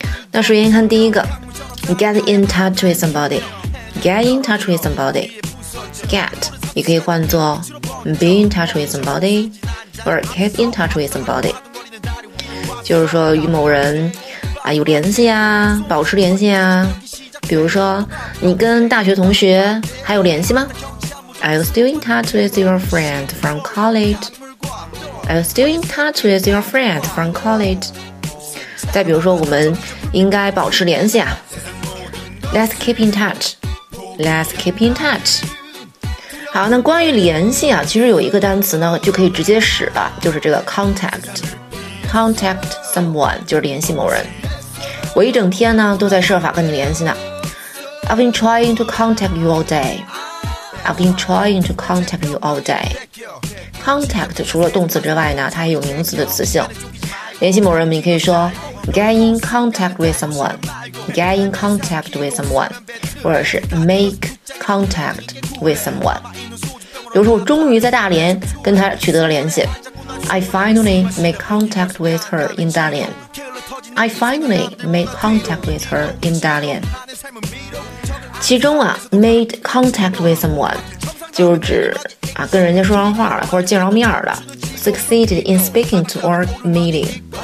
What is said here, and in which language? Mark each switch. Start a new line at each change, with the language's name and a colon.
Chinese: 那首先看第一个 ，
English: get in touch with somebody，get in touch with somebody，
Chinese: get 也可以换作
English: be in touch with somebody，
Chinese: 或者
English: get in touch with somebody，
Chinese: 就是说与某人啊有联系啊，保持联系啊。比如说，你跟大学同学还有联系吗？
English: Are you still in touch with your friend from college? Are you still in touch with your friend from college?
Chinese: 再比如说，我们应该保持联系啊。
English: Let's keep in touch. Let's keep in touch.
Chinese: 好，那关于联系啊，其实有一个单词呢，就可以直接使了，就是这个
English: contact.
Chinese: Contact someone 就是联系某人。我一整天呢都在设法跟你联系呢。
English: I've been trying to contact you all day. I've been trying to contact you all day.
Chinese: Contact 除了动词之外呢，它还有名词的词性。联系某人，你可以说
English: get in contact with someone,
Chinese: get in contact with someone, 或者是
English: make contact with someone.
Chinese: 比如说，我终于在大连跟他取得了联系。
English: I finally made contact with her in Dalian. I finally made contact with her in Dalian.
Chinese: 其中啊 ，
English: made contact with someone，
Chinese: 就是指啊跟人家说上话了或者见着面了 ，
English: succeeded in speaking to or meeting。